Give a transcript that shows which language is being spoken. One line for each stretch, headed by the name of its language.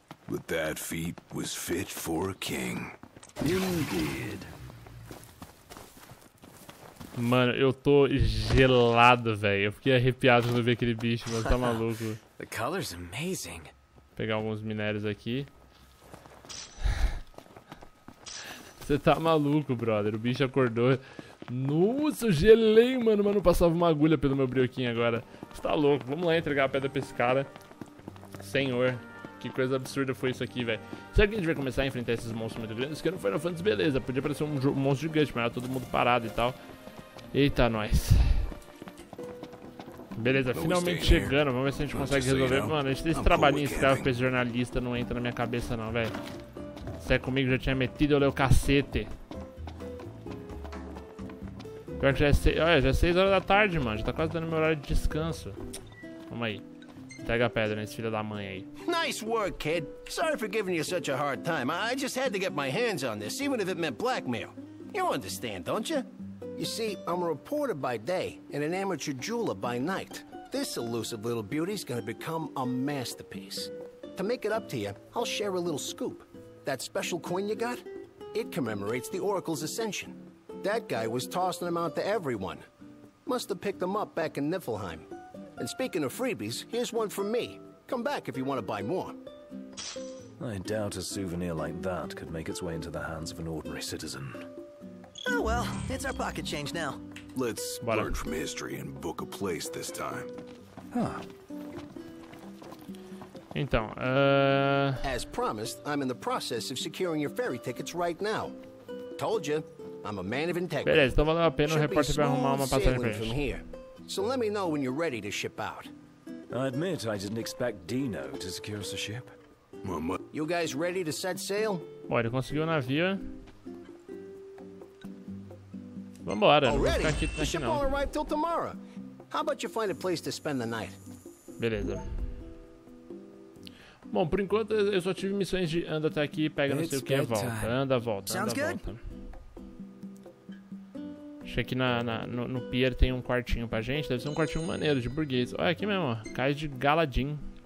English: But that feat was fit for a king. Indeed.
Portuguese: Mano, eu tô gelado, velho. Eu fiquei arrepiado quando vi aquele bicho, mano. Tá maluco.
English: The color's amazing.
Portuguese: Pegar alguns minérios aqui. Você tá maluco, brother. O bicho acordou. Nossa, eu gelei, mano. Mano, passava uma agulha pelo meu brioquinho agora. Você tá louco. Vamos lá entregar a pedra pra esse cara. Senhor. Que coisa absurda foi isso aqui, velho. Será que a gente vai começar a enfrentar esses monstros muito grandes? Que no Final Fantasy, beleza. Podia parecer um monstro gigante, mas era todo mundo parado e tal. Eita, nós. Beleza, finalmente chegando. Vamos ver se a gente consegue resolver. Mano, esse trabalhinho escravo pra esse jornalista não entra na minha cabeça, não, velho. Se é comigo, já tinha metido, eu leio o cacete. Pior que já é 6. Olha, já é 6 horas da tarde, mano. Já tá quase dando meu horário de descanso. Vamos aí. Pega a pedra nesse filho da mãe aí.
English: Nice work, kid. Sorry for giving you such a hard time. I just had to get my hands on this, even if it meant blackmail. You understand, don't you? You see, I'm a reporter by day and an amateur jeweler by night. This elusive little beauty's gonna become a masterpiece. To make it up to you, I'll share a little scoop. That special coin you got? It commemorates the Oracle's ascension. That guy was tossing them out to everyone. Must have picked them up back in Niflheim. And speaking of freebies, here's one from me. Come back if you want to buy more. I doubt a souvenir like that could make its way into the hands of an ordinary citizen. Oh well, it's our pocket change now. Let's learn from history and book a place this time. Huh.
Portuguese: Então,
English: As promised, I'm in the process of securing your ferry tickets right now. Told you, I'm a man of integrity.
Portuguese: Beleza, então valeu a pena o repórter vai arrumar uma passagem pra gente.
English: So let me know when you're ready to ship out. I admit I didn't expect Dino to secure us a ship. You guys ready to set sail?
Portuguese: Bom, ele conseguiu o navio. Vambora, não vou ficar aqui,
English: the ship won't arrive till tomorrow. How about you find a place to spend the night?
Portuguese: Beleza. Bom, por enquanto eu só tive missões de anda até aqui, pega não sei o que e volta. Anda, volta.
English: Sounds
Portuguese: anda,
English: good?
Portuguese: Volta. gente. Aqui no pier tem um quartinho pra gente. Deve ser um quartinho maneiro de burguês. Olha aqui mesmo, cais de Galadin.